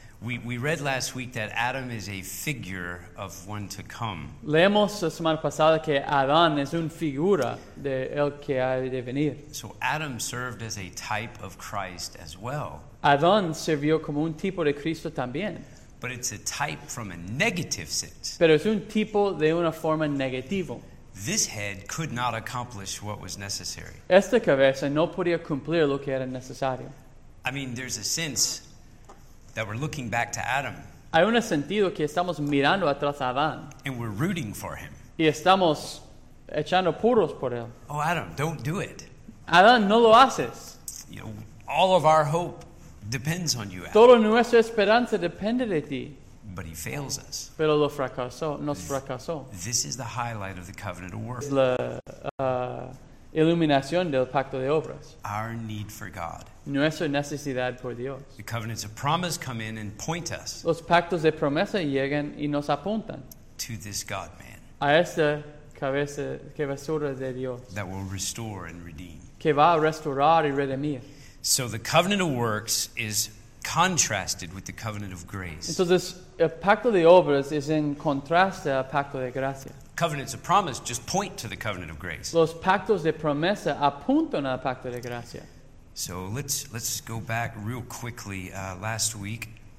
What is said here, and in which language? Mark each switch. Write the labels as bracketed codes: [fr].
[en] We read last week that Adam is a figure of one to come. [es] Leemos la semana pasada que Adán es una figura de el que ha de venir. [en] So Adam served as a type of Christ as well. [es] Adán sirvió como un tipo de Cristo también. [en] But it's a type from a negative sense. [es] Pero es un tipo de una forma negativa. [en] This head could not accomplish what was necessary. [es] Esta cabeza no podía cumplir lo que era necesario. [en] I mean, there's a sense that we're looking back to Adam. [es] Hay un sentido que estamos mirando atrás a Adán. [en] And we're rooting for him. [es] Y estamos echando puros por él. [en] Oh, Adam, don't do it. [es] Adán, no lo haces. [en] You know, all of our hope depends on you, Adam. [es] Toda nuestra esperanza depende de ti. [en] But he fails us. [es] Pero lo fracasó, nos fracasó. [en] This is the highlight of the covenant of work. [es] La iluminación del pacto de obras. [en] Our need for God. [es] Nuestra necesidad por Dios. [en] The covenants of promise come in and point us. [es] Los pactos de promesa llegan y nos apuntan. [en] To this God-man. [es] A esta cabeza, cabezura de Dios. [en] That will restore and redeem. [es] Que va a restaurar y redimir. [en] So the covenant of works is contrasted with the covenant of grace. [es] Entonces, el pacto de obras es en contraste al pacto de gracia. [en] Covenants of promise just point to the covenant of grace. [es] Los pactos de promesa apuntan al pacto de gracia. [en] So let's go back real quickly last week.